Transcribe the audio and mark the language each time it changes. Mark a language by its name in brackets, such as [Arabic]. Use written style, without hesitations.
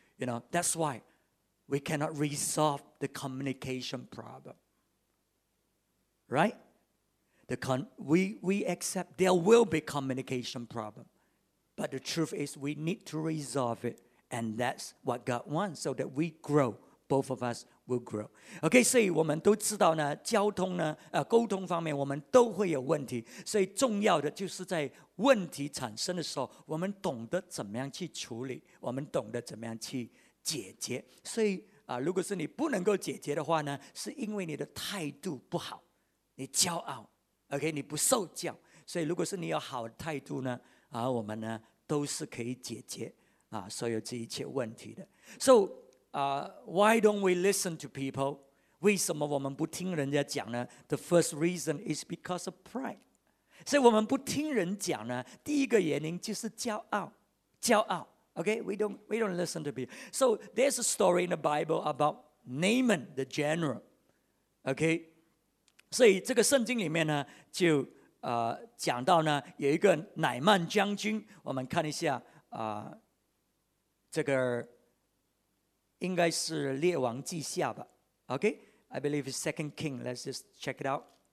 [English] You know, that's why we cannot resolve the communication problem. Right? We accept there will be communication problem. But the truth is we need to resolve it. And that's what God wants so that we grow. Both of us will grow. [Chinese] Okay, 所以我们都知道呢交通呢沟通方面我们都会有问题。所以重要的就是在问题产生的时候我们懂得怎么样去处理我们懂得怎么样去解决。所以如果是你不能够解决的话呢是因为你的态度不好你骄傲。 OK, 你不受教所以如果是你有好的态度呢我们呢都是可以解决所有这一切问题的。 [English] So, why don't we listen to people? [Chinese] 为什么我们不听人家讲呢 ? [English] The first reason is because of pride. [Chinese] 所以我们不听人讲呢第一个原因就是骄傲。骄傲。 [English] OK, we don't listen to people. So, there's a story in the Bible about Naaman, the general. [Chinese] OK? 所以这个圣经里面呢就讲到呢有一个乃曼将军我们看一下这个应该是列王记下吧 OK [English] I believe it's 2nd King Let's just check it out